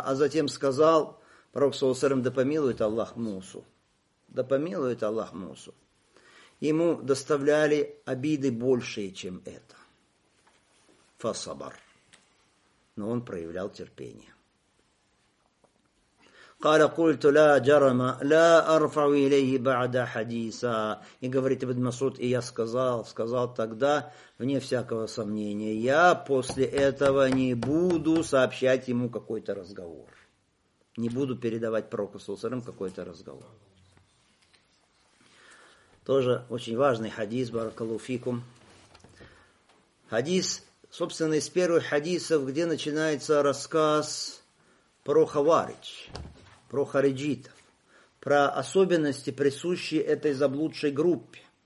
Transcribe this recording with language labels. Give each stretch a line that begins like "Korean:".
Russian: А затем сказал пророк саллаллаху алейхи ва саллям, да помилует Аллах Мусу, да помилует Аллах Мусу, ему доставляли обиды больше, чем это. Фасабар, но он проявлял терпение.
Arabic: قال قلت لا جرم لا ارفع اليه بعد حديثا.
Russian: И говорит ибн Масуд, и я сказал тогда, вне всякого сомнения, я после этого не буду сообщать ему какой-то разговор, не буду передавать пророку саллаллаху какой-то разговор. Тоже очень важный хадис, баракаллаху фикум. Хадис, собственно, из первых хадисов, где начинается рассказ про хавариджи, про хариджитов, про особенности, присущие этой заблудшей группе.